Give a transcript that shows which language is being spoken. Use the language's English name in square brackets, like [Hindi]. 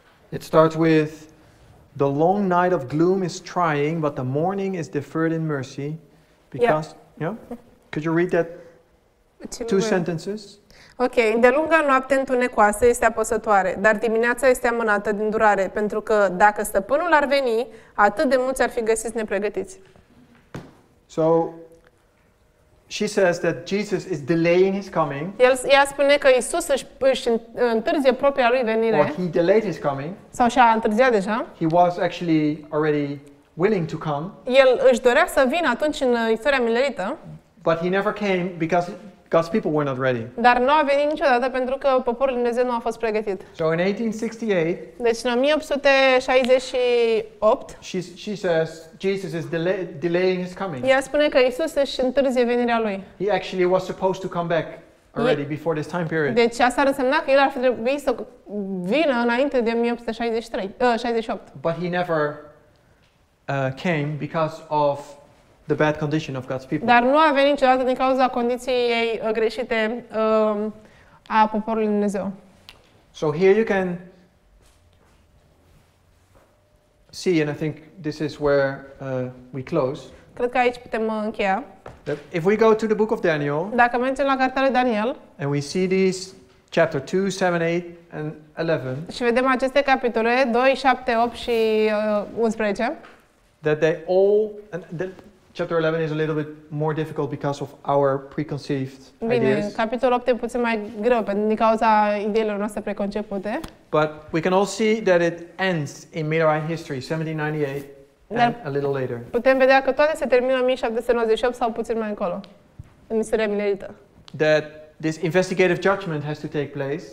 [English] It starts with, "The long night of gloom is trying, but the morning is deferred in mercy, because." Yeah. Could you read that? Two sentences. [Romanian] Ok, de lunga noapte întunecoasă este apăsătoare, dar dimineața este amânată din durare, pentru că dacă stăpânul ar veni, atât de mulți ar fi găsiți nepregătiți. [English] So she says that Jesus is delaying his coming. [Romanian] Ea spune că Iisus își întârzie propria lui venire. [English] Or he delayed his coming. [Romanian] Sau și-a întârziat deja. [English] He was actually already willing to come. [Romanian] El își dorea să vină atunci în istoria milerită. [English] But he never came because God's people were not ready. [Romanian] Dar nu a venit niciodată pentru că poporul lui Dumnezeu nu a fost pregătit. [English] So in 1868. [Romanian] Deci în 1868. [English] She says Jesus is delaying his coming. [Romanian] Ea spune că Iisus își întârzie venirea lui. [English] He actually was supposed to come back already before this time period. [Romanian] Deci asta ar însemna că el ar fi trebuit să vină înainte de 1868. [English] But he never came because of the bad condition of God's people. [Romanian] Dar nu a venit niciodată din cauza condiției greșite a poporului Dumnezeu. [English] So here you can see, and I think this is where we close. [Romanian] Cred că aici putem încheia. [English] If we go to the book of Daniel. [Romanian] Dacă mergem la cartea lui Daniel. [English] And we see these chapter 2, 7, 8 and 11. [Romanian] Și vedem aceste capitole 2, 7, 8 și 11. [English] That they all and the chapter 11 is a little bit more difficult because of our preconceived ideas. [Romanian] Bine, capitolul 8 e puțin mai greu pentru din cauza ideilor noastre preconcepute. [English] But we can all see that it ends in Millerite history 1798 and a little later. [Romanian] Putem vedea că toate se termină în 1798 sau puțin mai încolo. În istoria milerită. [English] That this investigative judgment has to take place.